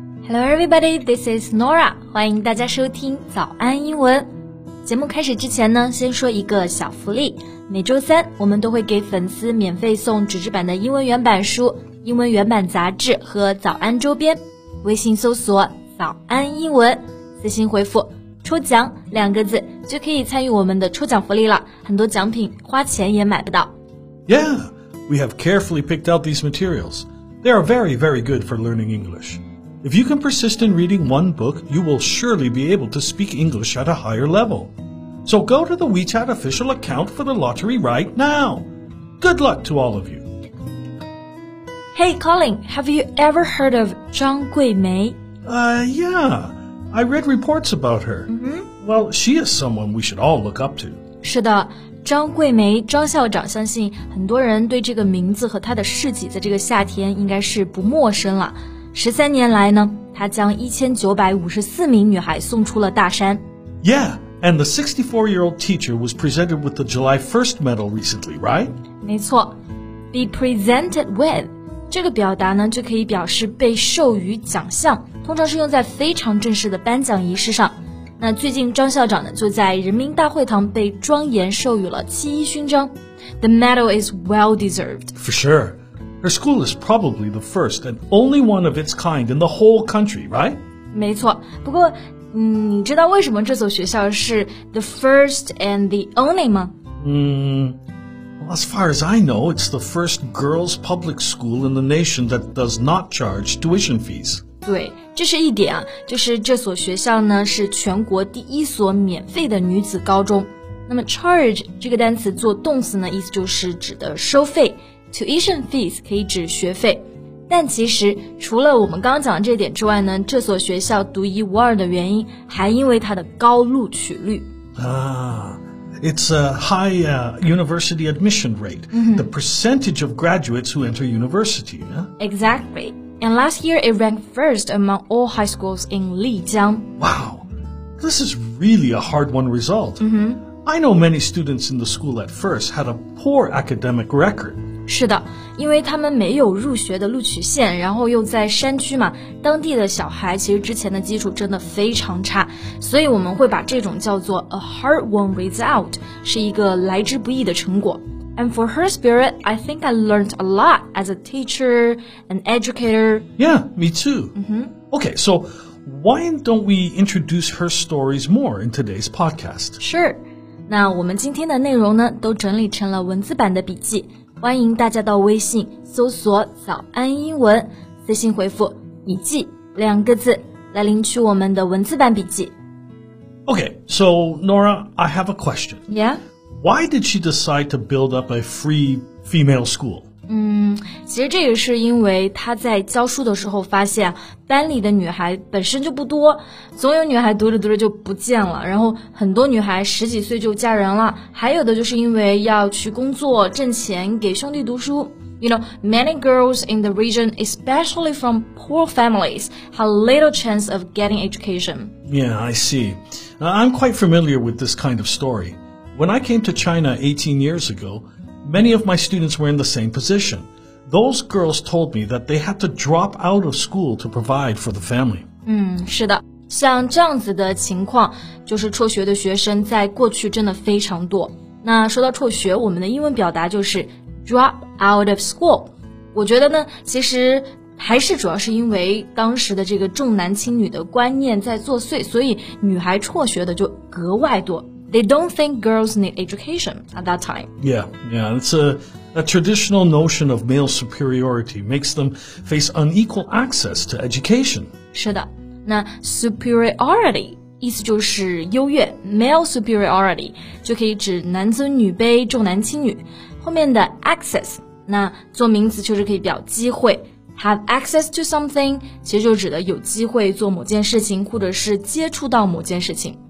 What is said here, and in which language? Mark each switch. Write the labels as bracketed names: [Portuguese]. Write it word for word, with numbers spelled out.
[English] Hello everybody, this is Nora. [Chinese] 欢迎大家收听早安英文。节目开始之前呢，先说一个小福利。每周三我们都会给粉丝免费送纸质版的英文原版书、英文原版杂志和早安周边。微信搜索早安英文，私信回复抽奖两个字就可以参与我们的抽奖福利了，很多奖品花钱也买不到。 [English] Yeah, we have carefully picked out these materials. They are very, very good for learning English. If you can persist in reading one book, you will surely be able to speak English at a higher level. So go to the WeChat official account for the lottery right now. Good luck to all of you. Hey Colin, have you ever heard of Zhang Guimei? Uh, yeah, I read reports about her. Mm-hmm. Well, she is someone we should all look up to. [Chinese] 是的。张桂梅张校长，相信很多人对这个名字和她的事迹在这个夏天应该是不陌生了。十三年来呢，她将一千九百五十四名女孩送出了大山。 [English] Yeah, and the sixty-four-year-old teacher was presented with the July first medal recently, right? [Chinese] 没错 , [English] be presented with, [Chinese] 这个表达呢就可以表示被授予奖项，通常是用在非常正式的颁奖仪式上。那最近张校长呢就在人民大会堂被庄严授予了七一勋章。 [English] The medal is well deserved. For sure. Her school is probably the first and only one of its kind in the whole country, right? [Chinese] 没错，不过嗯，你知道为什么这所学校是 [English] the first and the only [Chinese] 吗？ [English] 嗯 well, as far as I know, it's the first girls' public school in the nation that does not charge tuition fees. [Chinese] 对，这是一点啊，就是这所学校呢是全国第一所免费的女子高中。那么 charge 这个单词做动词呢，意思就是指的收费 ,tuition fees 可以指学费。但其实除了我们刚刚讲的这点之外呢，这所学校独一无二的原因还因为它的高录取率。 [English] 啊、uh, it's a high、uh, university admission rate,、mm-hmm. the percentage of graduates who enter university. Yeah? Exactly. And last year, it ranked first among all high schools in Lijiang. Wow, this is really a hard-won result.、 Mm-hmm. I know many students in the school at first had a poor academic record. [Chinese] 是的，因为他们没有入学的录取线，然后又在山区嘛，当地的小孩其实之前的基础真的非常差，所以我们会把这种叫做 [English] a hard-won result， [Chinese] 是一个来之不易的成果。 [English] And for her spirit, I think I learned a lot as a teacher, an educator. Yeah, me too. Mm-hmm. Okay, so why don't we introduce her stories more in today's podcast? Sure. [Chinese] 那我们今天的内容呢，都整理成了文字版的笔记，欢迎大家到微信搜索“早安英文”，私信回复“笔记”两个字来领取我们的文字版笔记。 [English] Okay, so Nora, I have a question. Yeah. Why did she decide to build up a free female school? [Chinese] 嗯，其实这个是因为她在教书的时候发现班里的女孩本身就不多，总有女孩读着读着就不见了，然后很多女孩十几岁就嫁人了，还有的就是因为要去工作挣钱给兄弟读书。 [English] You know, many girls in the region, especially from poor families, have little chance of getting education. Yeah, I see. I'm quite familiar with this kind of story. When I came to China eighteen years ago, many of my students were in the same position. Those girls told me that they had to drop out of school to provide for the family. [Chinese] 嗯，是的，像这样子的情况，就是辍学的学生在过去真的非常多。那说到辍学，我们的英文表达就是 [English] drop out of school。 [Chinese] 我觉得呢，其实还是主要是因为当时的这个重男轻女的观念在作祟，所以女孩辍学的就格外多。 [English] They don't think girls need education at that time. Yeah, yeah, it's a, a traditional notion of male superiority makes them face unequal access to education. [Chinese] 是的，那 superiority 意思就是优越 ，male superiority 就可以指男尊女卑、重男轻女。后面的 access 那做名词就是可以表机会 ， [English] have access to something [Chinese] 其实就指的有机会做某件事情，或者是接触到某件事情。